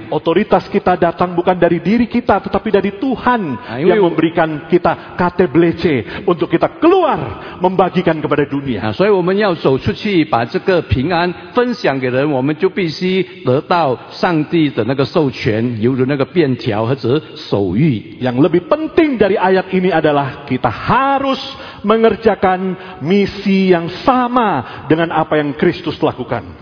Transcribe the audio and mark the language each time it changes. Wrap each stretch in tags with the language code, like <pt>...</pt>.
<id>Otoritas kita datang bukan dari diri kita, tetapi dari Tuhan yang memberikan kita KTBLC untuk kita keluar membagikan kepada dunia.</id> <zh>Nah, 所以我们要走出去把这个平安分享给人，我们就必须得到上帝的那个授权，犹如那个便条和手谕。</zh> <id>Yang lebih penting dari ayat ini adalah kita harus mengerjakan misi yang sama dengan apa yang Kristus lakukan.</id>